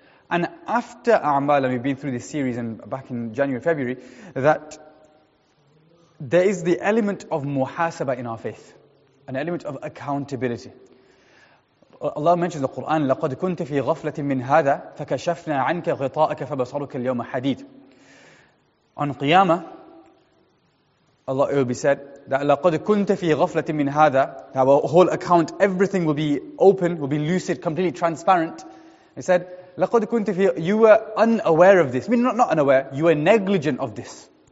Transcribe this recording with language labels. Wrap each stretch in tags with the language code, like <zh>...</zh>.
<en>And after A'mal, and we've been through this series and back in January, February, that there is the element of muhasaba in our faith, an element of accountability. Allah mentions the Quran,</en> <ar>لَقَدْ كُنْتَ فِي غَفْلَةٍ مِّنْ هَذَا فَكَشَفْنَا عَنْكَ غِطَاءَكَ فَبَصَرُكَ الْيَوْمَ حَدِيدٌ.</ar> <en>On Qiyamah, Allah, it will be said that</en> <ar>لَقَدْ كُنْتَ فِي غَفْلَةٍ مِّنْ هَذَا.</ar> <en>Now our whole account, everything will be open, will be lucid, completely transparent. He said,</en> <ar>لَقَدْ كُنْتَ فِي,</ar> <en>you were unaware of this. I mean, not unaware, you were negligent of this.</en>